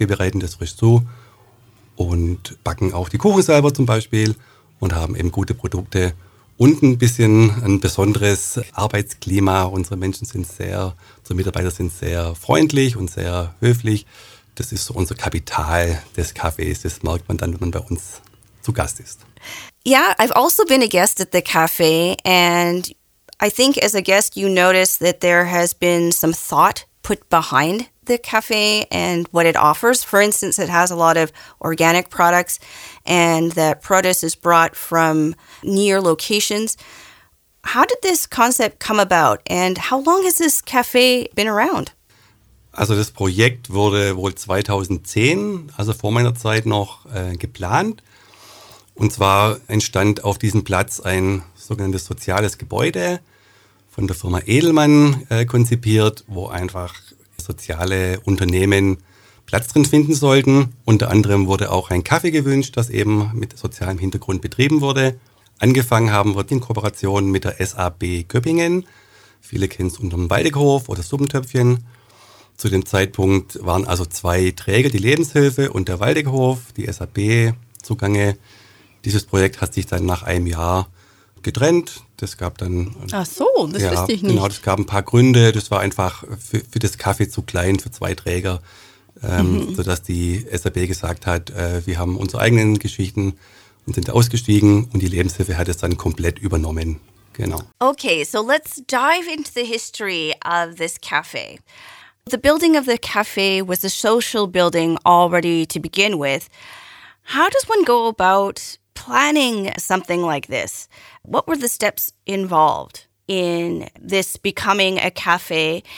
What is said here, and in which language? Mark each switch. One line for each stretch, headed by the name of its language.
German: Wir bereiten das frisch zu und backen auch die Kuchen selber zum Beispiel. Und haben eben gute Produkte und ein bisschen ein besonderes Arbeitsklima. Unsere Menschen sind sehr, unsere Mitarbeiter sind sehr freundlich und sehr höflich. Das ist so unser Kapital des Cafés. Das merkt man dann, wenn man bei uns zu Gast ist.
English: Yeah, I've also been a guest at the cafe. And I think as a guest, you notice that there has been some thought put behind the cafe and what it offers. For instance, it has a lot of organic products and that produce is brought from near locations. How did this concept come about and how long has this cafe been around?
German: Also das Projekt wurde wohl 2010, also vor meiner Zeit noch, geplant. Und zwar entstand auf diesem Platz ein sogenanntes soziales Gebäude von der Firma Edelmann konzipiert, wo einfach soziale Unternehmen Platz drin finden sollten. Unter anderem wurde auch ein Kaffee gewünscht, das eben mit sozialem Hintergrund betrieben wurde. Angefangen haben wir in Kooperation mit der SAB Göppingen. Viele kennen es unter dem Waldeckhof oder Suppentöpfchen. Zu dem Zeitpunkt waren also zwei Träger, die Lebenshilfe und der Waldeckhof, die SAB zugange. Dieses Projekt hat sich dann nach einem Jahr getrennt. Das gab dann. Ach so, das ja, wüsste ich nicht. Genau, das gab ein paar Gründe. Das war einfach für das Kaffee zu klein für zwei Träger, sodass die SAB gesagt hat, wir haben unsere eigenen Geschichten und sind ausgestiegen und die Lebenshilfe hat es dann komplett übernommen. Genau.
English: Okay, so let's dive into the history of this cafe. The building of the cafe was a social building already to begin with. How does one go about planning something like this? What were the steps involved in this becoming a cafe?